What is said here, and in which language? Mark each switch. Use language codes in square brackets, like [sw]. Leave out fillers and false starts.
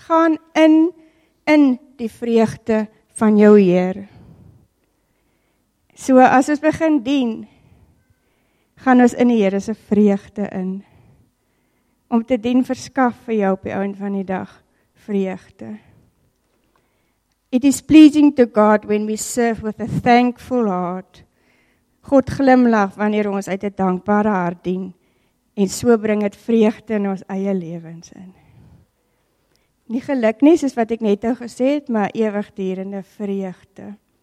[af] Gaan in die vreugde van jou Heer. So as ons begin dien, gaan ons in die Heer se vreugde in. Om te dien verskaf vir jou op die ouend van die dag vreugde. [en] It is pleasing to God when we serve with a thankful heart. [af] God glimlag wanneer ons uit 'n dankbare hart dien. En so bring het vreugde in ons eie lewens in. Nie geluk nie, soos wat ek net al gesê het, maar ewigdurende vreugde.